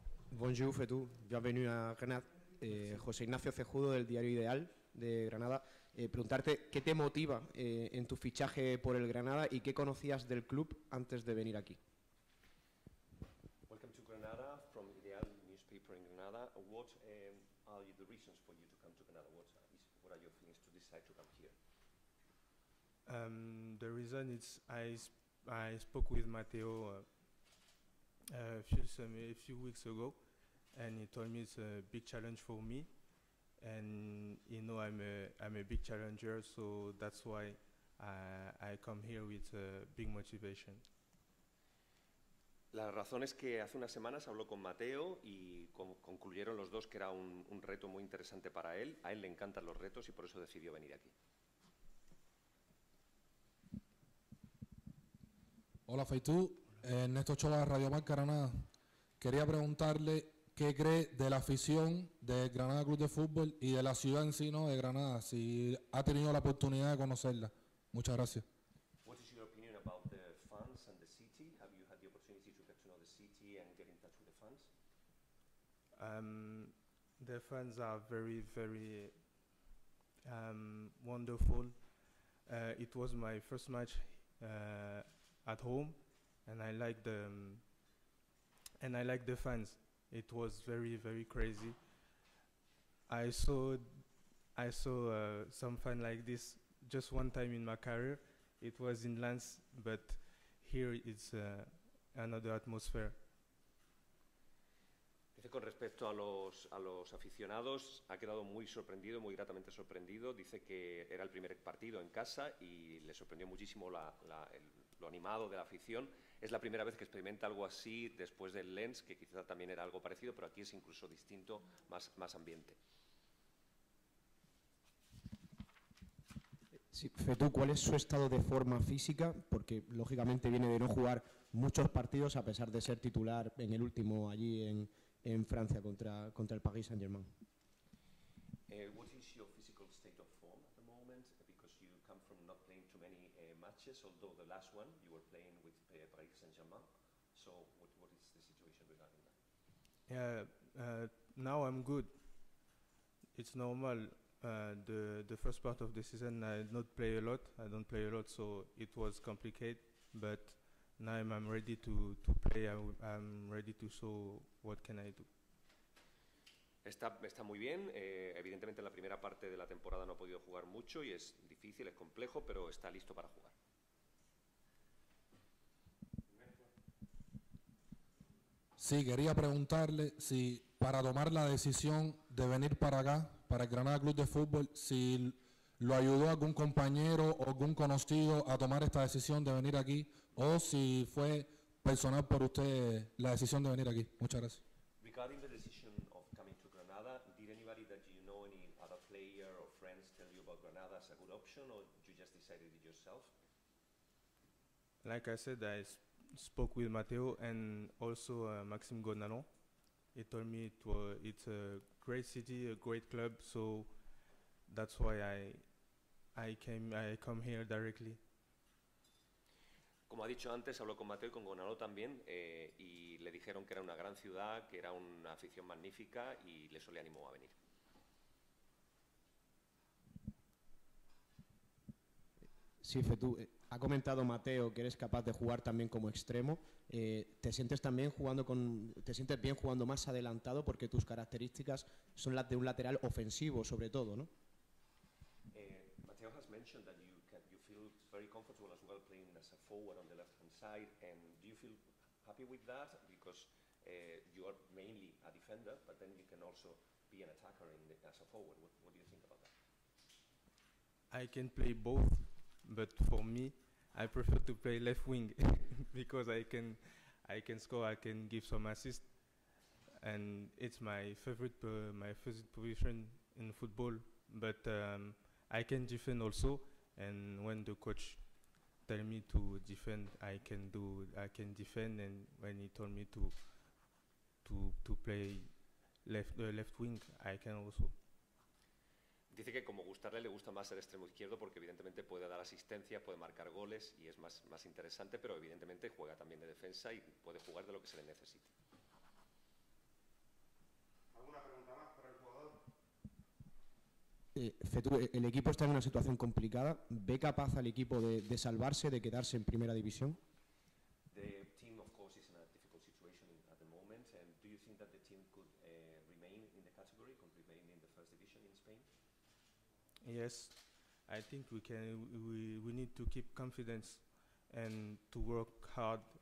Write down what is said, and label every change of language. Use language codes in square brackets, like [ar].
[fr] Bonjour, [es] Fetu. Bienvenido a Granada. José Ignacio Cejudo, del diario Ideal de Granada. Preguntarte, ¿qué te motiva en tu fichaje por el Granada y qué conocías del club antes de venir aquí? [en] Welcome to Granada, from Ideal newspaper in Granada. What are the reasons for you to come to Granada? What are your feelings to decide to come here? The reason is I spoke with Matteo a few weeks ago, and he told me it's a big challenge for me, and you know I'm a big challenger, so that's why I come here with a big motivation. [es] La razón es que hace unas semanas habló con Mateo y concluyeron los dos que era un reto muy interesante para él. A él le encantan los retos y por eso decidió venir aquí. Hola, Feitú. Néstor Chola, Radio Marca Granada. Quería preguntarle qué cree de la afición de Granada Club de Fútbol y de la ciudad en sí, ¿no?, de Granada, si ha tenido la oportunidad de conocerla. Muchas gracias. [en] What is your opinion about the fans and the city? Have you had the opportunity to get to know the city and get in touch with the fans? The fans are very, very wonderful. It was my first match at home, and I like the fans. It was very, very crazy. I saw some fan like this just one time in my career. It was in Lens, but here it's another atmosphere. [es] Dice, con respecto a los aficionados, ha quedado muy sorprendido, muy gratamente sorprendido. Dice que era el primer partido en casa y le sorprendió muchísimo lo animado de la afición. Es la primera vez que experimenta algo así después del Lens, que quizá también era algo parecido, pero aquí es incluso distinto, más ambiente. Sí, Fetu, ¿cuál es su estado de forma física? Porque lógicamente viene de no jugar muchos partidos, a pesar de ser titular en el último allí en Francia contra el Paris Saint-Germain. [en] What is your physical state of form at the moment? Because you come from not playing too many matches, although the last one you were playing with Paris Saint-Germain. So what is the situation regarding that? Now I'm good. It's normal. The first part of the season I not play a lot. I don't play a lot, so it was complicated, but now I'm ready to play. I'm ready to show what can I do. [es] Está muy bien. Evidentemente en la primera parte de la temporada no ha podido jugar mucho y es difícil, es complejo, pero está listo para jugar. Sí, quería preguntarle si para tomar la decisión de venir para acá, para el Granada Club de Fútbol, si lo ayudó algún compañero o algún conocido a tomar esta decisión de venir aquí, o si fue personal por usted la decisión de venir aquí. Muchas gracias. [en] Regarding the decision of coming to Granada, did anybody that you know, any other player or friends, tell you about Granada as a good option, or you just decided it yourself? Like I said, I spoke with Matteo and also Maxime Gonalon. He told me it's a great city, a great club, so that's why I come here directly. [es] Como ha dicho antes, habló con Mateo y con Gonalo también y le dijeron que era una gran ciudad, que era una afición magnífica y eso le animó a venir. Sí, Fetú, ha comentado Mateo que eres capaz de jugar también como extremo. ¿Te sientes bien jugando más adelantado porque tus características son las de un lateral ofensivo, sobre todo, ¿no? [en] Mateo has mentioned that you feel very comfortable as well playing as a forward on the left hand side, and do you feel happy with that? Because you are mainly a defender, but then you can also be an attacker as a forward. What do you think about that? I can play both, but for me, I prefer to play left wing because I can score, I can give some assists, and it's my favorite position in football. But I can defend also, and when the coach tell me to defend, I can defend, and when he told me to play left wing, I can also. [es] Dice que como gustarle, le gusta más el extremo izquierdo porque evidentemente puede dar asistencia, puede marcar goles y es más interesante, pero evidentemente juega también de defensa y puede jugar de lo que se le necesite. ¿Alguna pregunta más para el jugador? Fetú, el equipo está en una situación complicada. ¿Ve capaz al equipo de salvarse, de quedarse en primera división? [en] The team, of course, is in a difficult situation at the moment. Do you think that the team could remain in the category, could remain in the first division in Spain? Yes, I think we need to keep confidence and to work hard.